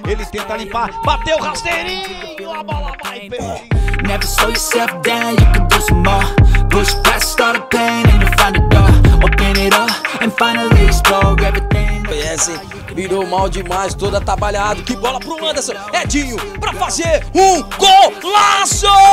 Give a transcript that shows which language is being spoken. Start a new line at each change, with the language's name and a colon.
Portuguese: Ele tenta limpar, bateu rasteirinho. A bola vai bem.
English: Never slow yourself down, you can do some more. Push past all the pain and you'll find a door. Open it up and finally explore everything.
Portuguese: Esse virou mal demais, toda trabalhado. Que bola pro Anderson, Edinho, pra fazer um golaço!